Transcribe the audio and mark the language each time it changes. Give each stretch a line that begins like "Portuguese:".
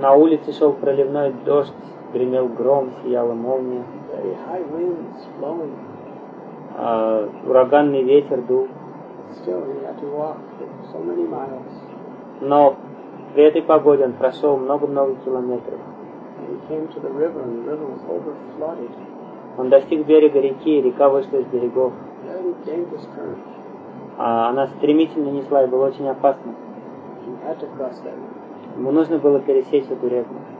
Russian: На улице шел проливной дождь, гремел гром, сияла молния.
English: Very high winds blowing.
Russian: Ураганный ветер дул.
English: Still, he had to walk so many miles.
Russian: Но при этой погоде он прошел много-много километров.
English: And he came to the river, and the river was overflooded.
Russian: Он достиг берега реки, и река вышла из берегов.
English: Very dangerous current.
Russian: Она стремительно несла, и было очень опасно.
English: He had to cross that river.
Russian: Ему нужно было пересечь эту реку.